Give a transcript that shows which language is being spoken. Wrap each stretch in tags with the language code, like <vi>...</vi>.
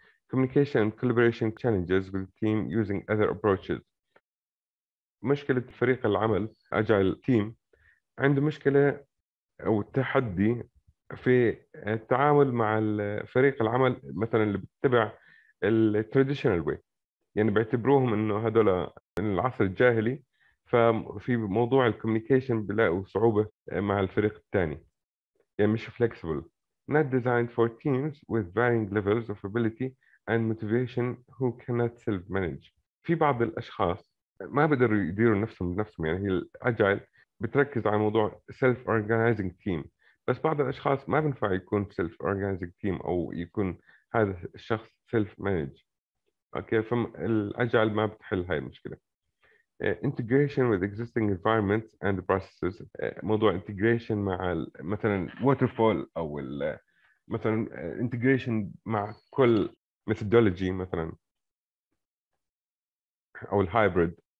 <en>communication collaboration challenges with team using other approaches,</en> <ar>مشكله فريق العمل اجايل تيم عنده مشكله او تحدي في التعامل مع فريق العمل مثلا اللي بتتبع التراديشنال واي، يعني بيعتبروهم انه هذول من العصر الجاهلي. ففي موضوع الكوميونيكيشن بلاقوا صعوبه مع الفريق الثاني، يعني مش فليكسبل.</ar> <en>Not designed for teams with varying levels of ability and motivation who cannot self-manage.</en> <ar>في بعض الاشخاص ما بقدروا يديروا نفسهم بنفسهم، يعني هي الاجايل بتركز على موضوع self-organizing team، بس بعض الاشخاص ما بينفع يكون self-organizing team او يكون هذا الشخص self-manage. اوكي فم الاجايل ما بتحل هاي المشكله.</ar> <en>integration with existing environment and processes,</en> <ar>موضوع انتجريشن مع مثلا ووترفول او مثلا انتجريشن مع كل ميثودولوجي مثلا او الهايبريد.</ar>